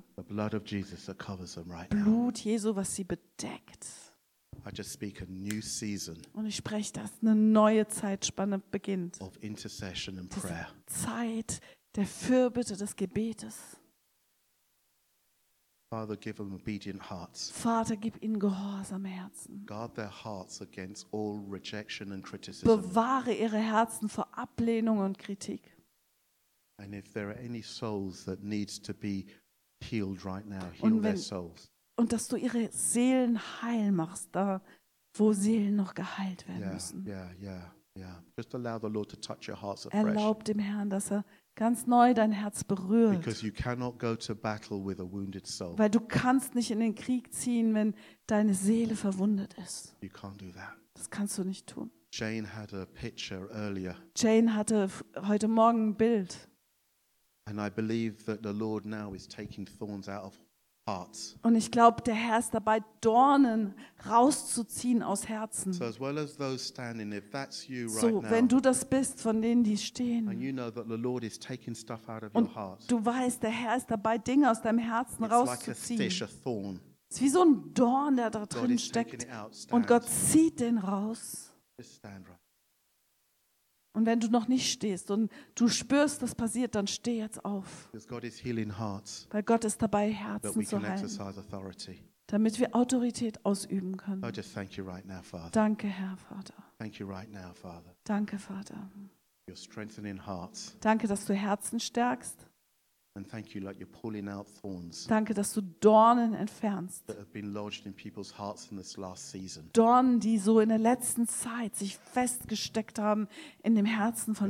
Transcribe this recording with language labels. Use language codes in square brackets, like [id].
[en] The blood of Jesus that covers them right now. [de] Blut Jesu, was sie bedeckt. [en] I just speak a new season. [de] Und ich spreche, dass eine neue Zeitspanne beginnt. [en] Of intercession and prayer. [de] Zeit der Fürbitte des Gebetes. [en] Father, give them obedient hearts. [de] Vater, gib ihnen gehorsame Herzen. [en] Guard their hearts against all rejection and criticism. [de] Bewahre ihre Herzen vor Ablehnung und Kritik. [en] And if there are any souls that needs to be healed right now, heal their souls. [de] Und dass du ihre Seelen heil machst, da wo Seelen noch geheilt werden müssen. [en] Yeah. Just allow the Lord to touch your hearts afresh. [de] Erlaub dem Herrn, dass er ganz neu dein Herz berührt. [en] Because you cannot go to battle with a wounded soul. [de] Weil du kannst nicht in den Krieg ziehen, wenn deine Seele verwundet ist. [en] You can't do that. [de] Das kannst du nicht tun. [en] Jane, had a picture earlier. [de] Jane hatte heute Morgen ein Bild. [en] And I believe that the Lord now is taking thorns out of hearts. [de] Und ich glaube, der Herr ist dabei, Dornen rauszuziehen aus Herzen. [en] So, as well as those standing, if that's you right [de] so [en] now, [de] wenn du das bist, von denen, die stehen, und du weißt, der Herr ist dabei, Dinge aus deinem Herzen [en] it's [de] rauszuziehen. [en] Like a stich, a thorn. [de] Es ist wie so ein Dorn, der da drin steckt. [en] Out, [de] und Gott zieht den raus. [en] Just stand right. [de] Und wenn du noch nicht stehst und du spürst, das passiert, dann steh jetzt auf. Weil Gott ist dabei, Herzen zu heilen. Damit wir Autorität ausüben können. [en] Oh, just thank you right now, Father. [de] Danke, Herr, Vater. [en] Thank you right now, Father. [de] Danke, Vater. [en] You're strengthening hearts. [de] Danke, dass du Herzen stärkst. [en] And thank you, like you're pulling out thorns. [de] Danke, dass du Dornen entfernst. [en] That have been lodged in people's hearts in this last season. [de] Dornen, die so in der letzten Zeit sich festgesteckt haben in dem Herzen von